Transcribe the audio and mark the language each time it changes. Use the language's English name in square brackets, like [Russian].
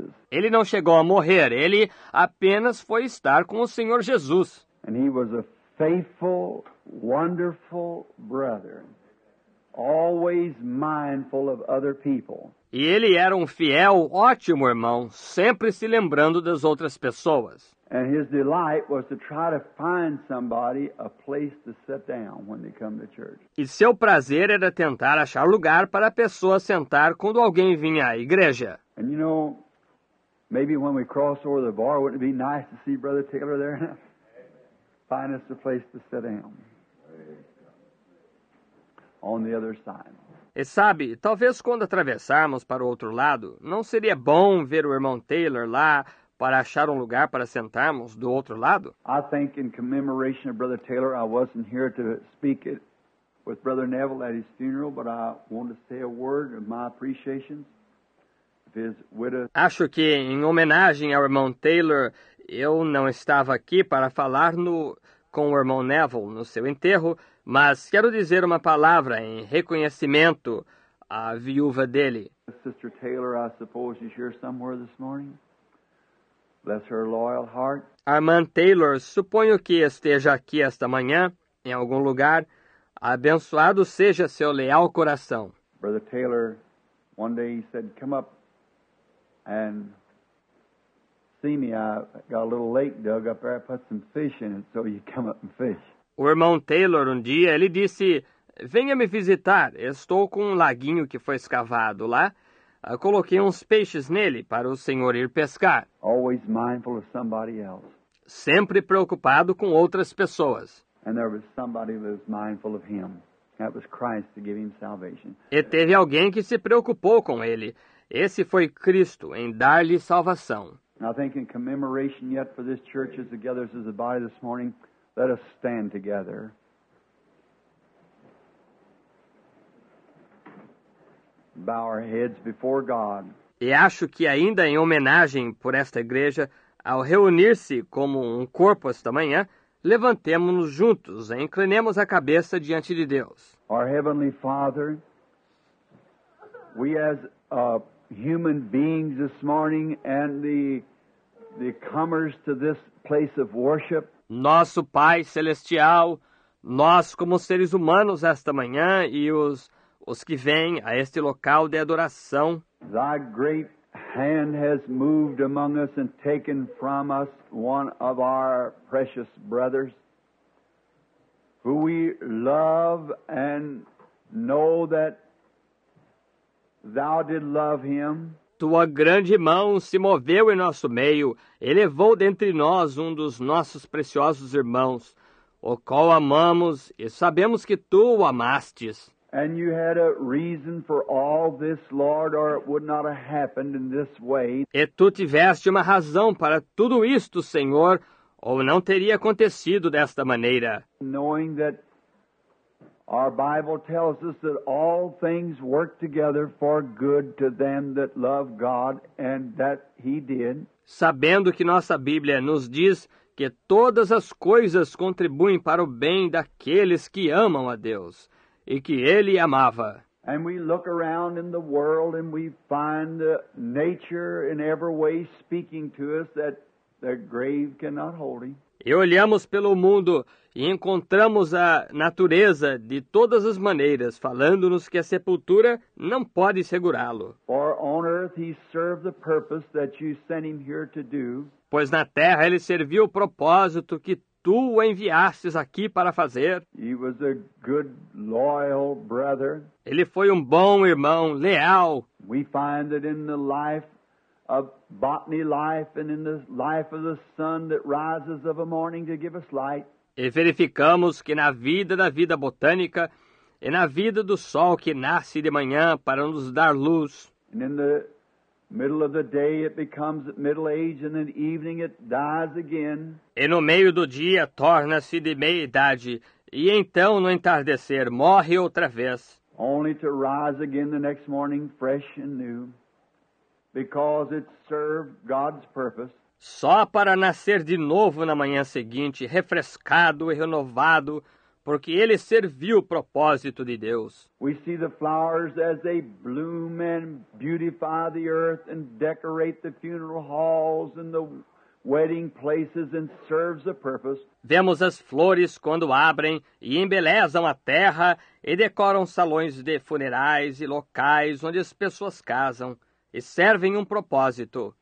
[Portuguese] Ele não chegou a morrer, ele apenas foi estar com o Senhor Jesus. [English] And he was a faithful, wonderful brother. always mindful of other people. [Portuguese] E ele era um fiel, ótimo irmão, sempre se lembrando das outras pessoas. [English] And his delight was to try to find somebody a place to sit down when they come to church. [Portuguese] E seu prazer era tentar achar lugar para a pessoa sentar quando alguém vinha à igreja. [English] And you know, maybe when we cross over the bar, wouldn't it be nice to see Brother Taylor there? Find us a place to sit down. On the other side. [Portuguese] E sabe, talvez quando atravessarmos para o outro lado, não seria bom ver o irmão Taylor lá para achar um lugar para sentarmos do outro lado? [English] I think in commemoration of Brother Taylor, I wasn't here to speak it with Brother Neville at his funeral, but I want to say a word of my appreciation. [Portuguese] Acho que em homenagem ao irmão Taylor, eu não estava aqui para falar com o irmão Neville no seu enterro, mas quero dizer uma palavra em reconhecimento à viúva dele. [English] Sister Taylor, I suppose she's here somewhere this morning. Bless her loyal heart. [Portuguese] A irmã Taylor, suponho que esteja aqui esta manhã, em algum lugar. Abençoado seja seu leal coração. [English] Brother Taylor, one day he said, come up and see me. I got a little lake dug up there. I put some fish in it, so you come up and fish. [Portuguese] O irmão Taylor, um dia, ele disse, venha me visitar. Estou com um laguinho que foi escavado lá. Eu coloquei uns peixes nele para o senhor ir pescar. [English] Always mindful of somebody else. [Portuguese] Sempre preocupado com outras pessoas. [English] And there was somebody who was mindful of him. That was Christ to give him salvation. [Portuguese] E teve alguém que se preocupou com ele. Esse foi Cristo em dar-lhe salvação. [English] I think in commemoration yet for this church as together as a body this morning, let us stand together. Bow our heads before God. [Portuguese] E acho que ainda em homenagem por esta igreja, ao reunir-se como um corpo esta manhã, levantemo-nos juntos e inclinemos a cabeça diante de Deus. [English] Our Heavenly Father, we as human beings this morning and the comers to this place of worship. [Portuguese] Nosso Pai Celestial, nós como seres humanos esta manhã e os que vêm a este local de adoração. [English] Thy great hand has moved among us and taken from us one of our precious brothers, who we love and know that thou did love him. [Portuguese] Tua grande mão se moveu em nosso meio, elevou dentre nós um dos nossos preciosos irmãos, o qual amamos e sabemos que tu o amastes. [English] And you had a reason for all this, Lord, or it would not have happened in this way. [Portuguese] E tu tiveste uma razão para tudo isto, Senhor, ou não teria acontecido desta maneira. [English] Knowing that our Bible tells us that all things work together for good to them that love God, and that he did. [Portuguese] Sabendo que nossa Bíblia nos diz que todas as coisas contribuem para o bem daqueles que amam a Deus. E que ele amava. [English] And we look around in the world and we find the nature in every way speaking to us that the grave cannot hold him. [Portuguese] E olhamos pelo mundo e encontramos a natureza de todas as maneiras falando-nos que a sepultura não pode segurá-lo. [English] For on earth he served the purpose that you sent him here to do. [Portuguese] Pois na terra ele serviu o propósito que tu o enviastes aqui para fazer. [English] He was a good, loyal brother. [Portuguese] Ele foi um bom irmão, leal. [English] We find that in the life of botany life and in the life of the sun that rises of a morning to give us light. [Portuguese] E verificamos que na vida da vida botânica e na vida do sol que nasce de manhã para nos dar luz. [English] And in the middle of the day it becomes middle age and in the evening it dies again. [Portuguese] E no meio do dia torna-se de meia idade e então no entardecer morre outra vez. [English] Only to rise again the next morning fresh and new because it served God's purpose. [Portuguese] Só para nascer de novo na manhã seguinte, refrescado e renovado, porque ele serviu o propósito de Deus. [English] We see the flowers as they bloom and beautify the earth and decorate the funeral halls and the wedding places and serves a purpose. [Portuguese] Vemos as flores quando abrem e embelezam a terra e decoram salões de funerais e locais onde as pessoas casam e servem um propósito.